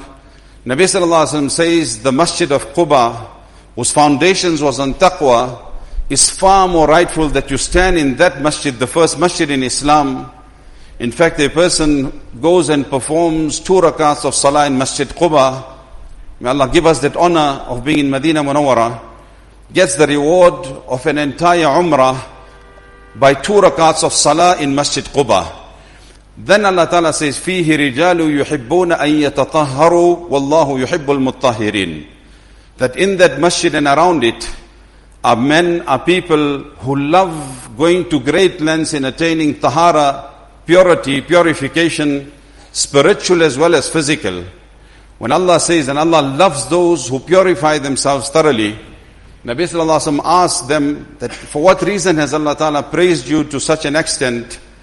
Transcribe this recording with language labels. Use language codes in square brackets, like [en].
[en] Nabi sallallahu alayhi wa sallam says the Masjid of Quba, whose foundations was on taqwa, is far more rightful that you stand in that masjid, the first masjid in Islam. In fact, a person goes and performs two rakats of salah in Masjid Quba. May Allah give us that honor of being in Madinah Munawwara. Gets the reward of an entire umrah by two rakats of salah in Masjid Quba. Then Allah Ta'ala says, [ar] فِيهِ رِجَالُ يُحِبُّونَ أَن يَتَطَهَّرُوا وَاللَّهُ يُحِبُّ الْمُطَّهِرِينَ. [en] That in that masjid and around it are men, are people who love going to great lengths in attaining tahara, purity, purification, spiritual as well as physical. When Allah says, and Allah loves those who purify themselves thoroughly, Nabi Sallallahu Alaihi Wasallam asked them, that for what reason has Allah Ta'ala praised you to such an extent?